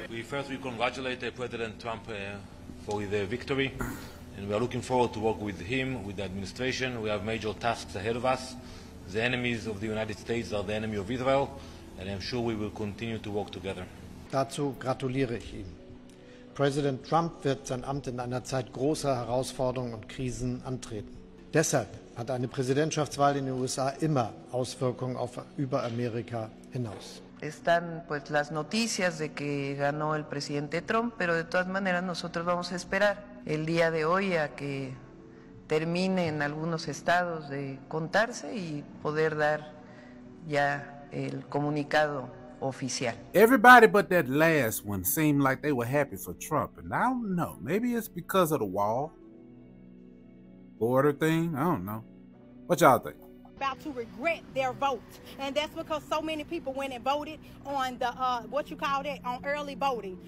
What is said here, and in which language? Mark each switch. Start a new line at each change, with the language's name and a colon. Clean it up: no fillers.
English: We congratulate President Trump for the victory, and we are looking forward to work with him, with the administration. We have major tasks ahead of us. The enemies of the United States are the enemy of Israel, and I'm sure we will continue to work together.
German: Dazu gratuliere ich Ihnen. Präsident Trump wird sein Amt in einer Zeit großer Herausforderungen und Krisen antreten. Deshalb hat eine Präsidentschaftswahl in den USA immer Auswirkungen auf über Amerika hinaus.
Spanish: Están pues las noticias de que ganó el presidente Trump, pero de todas maneras nosotros vamos a esperar el día de hoy a que termine en algunos estados de contarse y poder dar ya el comunicado oficial.
English: Everybody but that last one seemed like they were happy for Trump, and I don't know. Maybe it's because of the wall, border thing. I don't know. What y'all think? About to regret their vote, and that's because so many people went and voted on the on early voting.